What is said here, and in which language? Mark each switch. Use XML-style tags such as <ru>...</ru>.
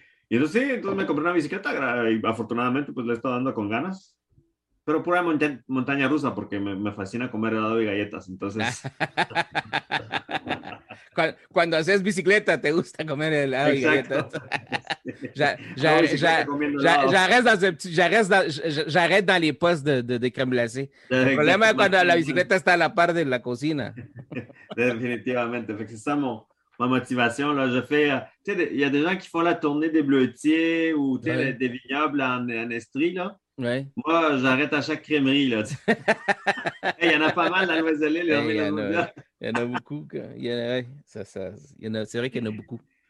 <es>Y entonces sí, entonces me compré una bicicleta y afortunadamente pues le he estado dando con ganas. Pero pura montaña rusa, porque me fascina comer helado y galletas, entonces... Cuando haces bicicleta, te gusta comer helado. Exacto. Y galletas.</es> <fr>J'arrête dans les postes de crème glacée.</fr> <es>El problema es cuando la bicicleta está a la par de la cocina. Definitivamente, porque esa es ma motivación.</es> <fr>Je fais, il y a des gens qui font la tournée des bleutiers ou des vignobles en Estrie, là. Ouais. Moi, j'arrête à chaque crèmerie. Là. Il y en a pas mal dans l'Ouest de l'île. Il y en a beaucoup. C'est vrai qu'il y en a beaucoup.</fr>